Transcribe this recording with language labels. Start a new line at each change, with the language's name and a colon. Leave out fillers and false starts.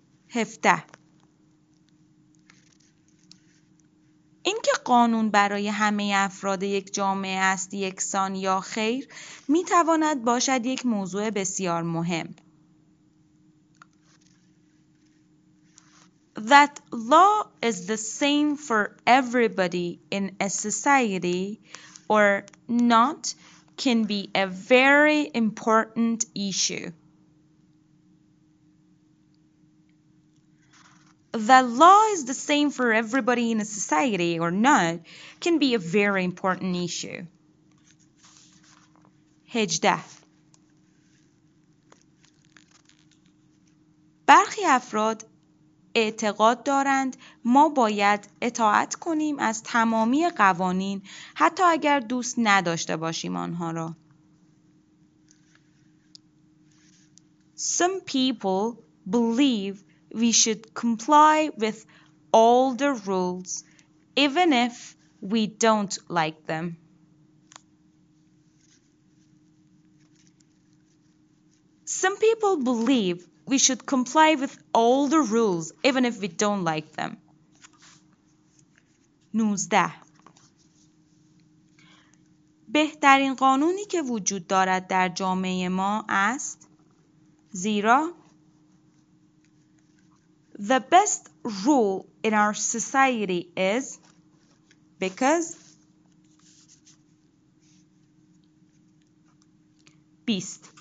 Persian: 17. اینکه قانون برای همه افراد یک جامعه است یکسان یا خیر می تواند باشد یک موضوع بسیار مهم.
English: That law is the same for everybody in a society or not can be a very important issue. That law is the same for everybody in a society or not can be a very important issue.
Persian: 18. برخی افراد اعتقاد دارند ما باید اطاعت کنیم از تمامی قوانین حتی اگر دوست نداشته باشیم آنها را.
English: Some people believe we should comply with all the rules even if we don't like them. Some people believe we should comply with all the rules even if we don't like them.
Persian: 19. بهترین قانونی که وجود دارد در جامعه ما است زیرا
English: The best rule in our society is because 20.